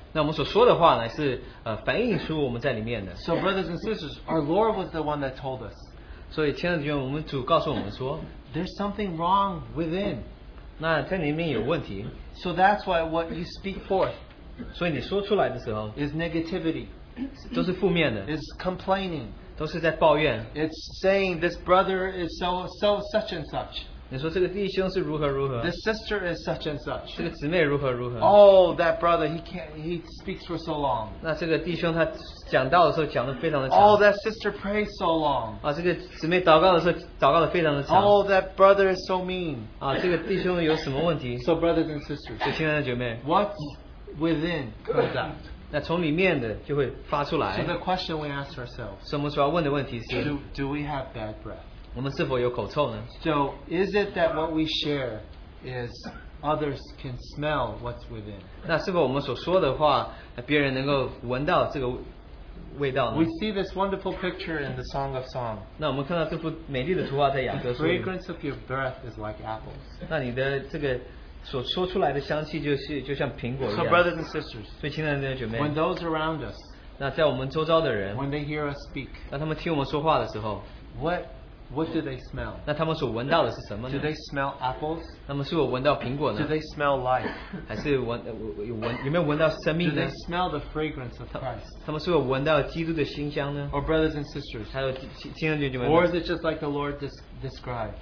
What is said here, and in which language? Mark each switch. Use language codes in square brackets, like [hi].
[zh] 那我们所说的话呢, 反映出我们在里面的。 [en] So brothers and sisters, our Lord was the one that told us. [zh] 所以亲爱的弟兄, 我们主告诉我们说, [en] there's something wrong within. [zh] 那在里面有问题。 [en] So that's why what you speak forth [zh] 所以你说出来的时候, [en] is negativity. [zh] 都是负面的。 [en] Is complaining. [zh] 都是在抱怨。 [en] It's saying this brother is so such and such. This sister is such and such. [zh] 这个姊妹如何如何? [en] Oh, that brother, he speaks for so long. [zh] 那这个弟兄他讲道的时候讲得非常的长。 [en] Oh, that sister prays so long. [zh] 这个姊妹祷告的时候祷告得非常的长。 [en] Oh, that brother is so mean. [zh] 这个弟兄有什么问题? [en] So brothers and sisters, [zh] 所以亲爱的姐妹, [en] what's within comes out? [zh] 那从里面的就会发出来。 [en] So the question we ask ourselves, [zh] 所以我们所要问的问题是, [en] do we have bad breath? [zh] 我们是否有口臭呢? [en] So, is it that what we share is others can smell what's within? [zh] 那是否我们所说的话, 别人能够闻到这个味道呢? [en] We see this wonderful picture in the Song of Songs. [zh] 那我们看到这幅美丽的图画在雅歌书。 [en] The fragrance of your breath is like apples. [zh] 那你的这个所说出来的香气就像苹果一样。 [en] So, brothers and sisters, [zh] 所以亲爱的姐妹, [en] when those around us, [zh] 那在我们周遭的人, [en] when they hear us speak, [zh] 那他们听我们说话的时候, [en] what do they smell? [zh] 那他们所闻到的是什么呢? [en] Do they smell apples? [zh] 那么是我闻到苹果呢? [en] Do they smell life? [zh] 还是有没有闻到生命呢? [en] Do they smell the fragrance of Christ? [zh] 他们是我闻到基督的馨香呢? [en] Or brothers and sisters? [zh] 还有亲爱的弟兄们? [en] Or is it just like the Lord described?